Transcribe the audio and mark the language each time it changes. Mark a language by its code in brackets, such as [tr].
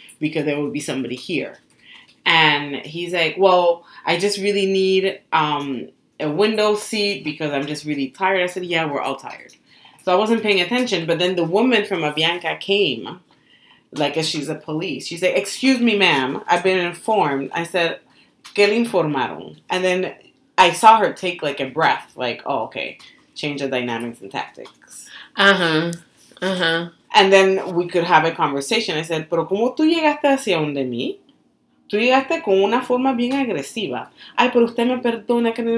[en] Because there would be somebody here. And he's like, well, I just really need a window seat because I'm just really tired. I said, yeah, we're all tired. So I wasn't paying attention. But then the woman from Avianca came, like as she's a police. She's like, excuse me, ma'am, I've been informed. I said, [es] ¿qué le informaron? [en] And then I saw her take like a breath, like, oh, okay, change of dynamics and tactics. And then we could have a conversation. I said, [es] pero ¿cómo tú llegaste hacia donde mí? Tú llegaste con una forma bien agresiva. Ay, pero usted me perdona.